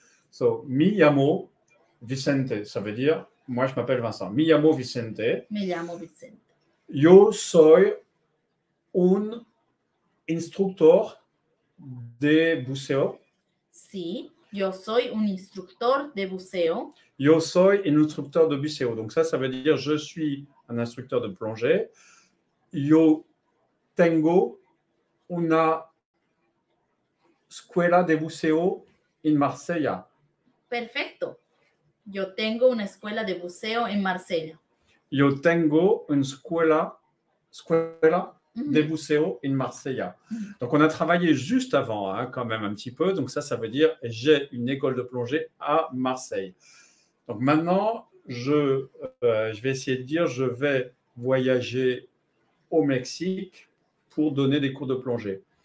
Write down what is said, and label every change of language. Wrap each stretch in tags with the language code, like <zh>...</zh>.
<fr>So,</fr> <es>mi llamo Vicente,</es> <fr>ça veut dire, moi je m'appelle Vincent.</fr> <es>Mi llamo Vicente. Me llamo Vicente. Yo soy un instructor de buceo. Sí, yo soy un instructor de buceo. Yo soy un instructor de buceo.</es> <fr>Donc ça, ça veut dire, je suis un instructeur de plongée.</fr> <es>Yo tengo una escuela de buceo en Marsella. Perfecto. Yo tengo una escuela de buceo en Marsella. Yo tengo una escuela de buceo en Marsella.</es> <fr>Donc, on a travaillé juste avant, hein, quand même, un petit peu. Donc, ça, ça veut dire, j'ai une école de plongée à Marseille. Donc, maintenant, je vais essayer de dire, je vais voyager au Mexique pour donner des cours de plongée.</fr>